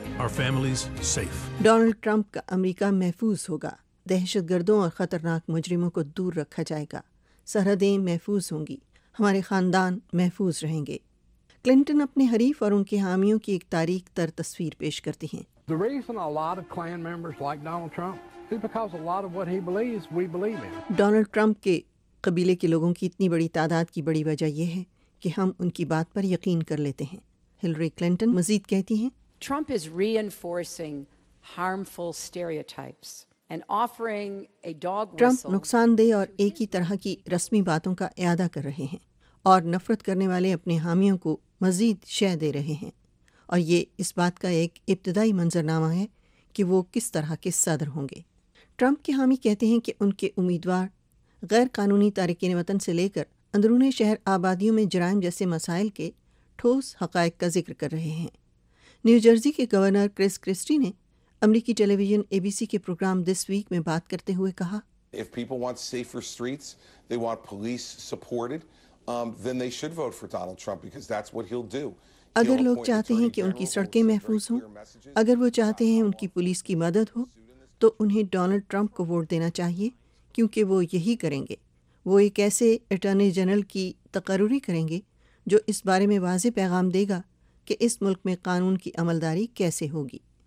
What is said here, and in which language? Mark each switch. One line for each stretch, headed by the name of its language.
English: Our families safe.
Urdu: Donald Trump کا امریکہ محفوظ ہوگا، دہشت گردوں اور خطرناک مجرموں کو دور رکھا جائے گا، سرحدیں محفوظ ہوں گی، ہمارے خاندان محفوظ رہیں گے۔ کلنٹن اپنے حریف اور ان کے حامیوں کی ایک تاریک تر تصویر پیش کرتی ہیں۔
English: The reason a lot of Klan members like Donald Trump is because a lot of what he believes we believe in.
Urdu: Donald Trump کے قبیلے کے لوگوں کی اتنی بڑی تعداد کی بڑی وجہ یہ ہے کہ ہم ان کی بات پر یقین کر لیتے ہیں۔ ہلری کلنٹن مزید کہتی ہیں،
English: Trump is reinforcing harmful stereotypes
Urdu: ٹرمپ نقصان دہ اور ایک ہی طرح کی رسمی باتوں کا اعادہ کر رہے ہیں اور نفرت کرنے والے اپنے حامیوں کو مزید شہ دے رہے ہیں, اور یہ اس بات کا ایک ابتدائی منظرنامہ ہے کہ وہ کس طرح کے صدر ہوں گے. ٹرمپ کے حامی کہتے ہیں کہ ان کے امیدوار غیر قانونی تارکین وطن سے لے کر اندرون شہر آبادیوں میں جرائم جیسے مسائل کے ٹھوس حقائق کا ذکر کر رہے ہیں. نیو جرزی کے گورنر کرس کرسٹی نے امریکی ٹیلی ویژن اے بی سی کے پروگرام دس ویک میں بات کرتے ہوئے کہا,
English: If people want safer streets, they want police supported, then they should vote for Donald Trump because that's what he'll do.
Urdu: اگر لوگ چاہتے ہیں کہ ان کی سڑکیں محفوظ ہوں, اگر وہ چاہتے ہیں ان کی پولیس کی مدد ہو, تو انہیں ڈونلڈ ٹرمپ کو ووٹ دینا چاہیے کیونکہ وہ یہی کریں گے. وہ ایک ایسے اٹارنی جنرل کی تقرری کریں گے جو اس بارے میں واضح پیغام دے گا کہ اس ملک میں قانون کی عمل داری کیسے ہوگی.